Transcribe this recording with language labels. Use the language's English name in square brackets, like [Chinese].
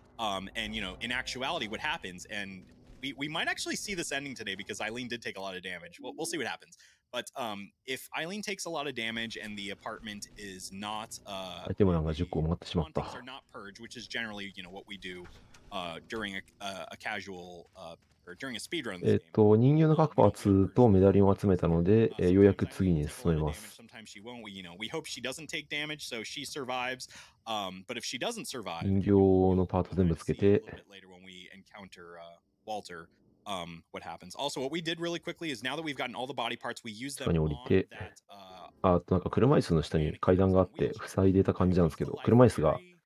[English] And you know, in actuality, what happens, and we might actually see this ending today because Eileen did take a lot of damage. We'll see what happens. But if Eileen takes a lot of damage and the apartment is not, not purged, which is generally, you know, what we do during a casual, during a speedrun. [Japanese] 人形の各パーツとメダリンを集めたので、ようやく次に進めます。 [English] Sometimes she won't, you know, we hope she doesn't take damage, so she survives. But if she doesn't survive, [Japanese] 人形のパーツ全部つけて、 [English] later when we encounter Walter. What happens? Also, what we did really quickly is now that we've gotten all the body parts, we use them on that. [Japanese] なんか車椅子の下に階段があって塞いでた感じなんですけど、車椅子が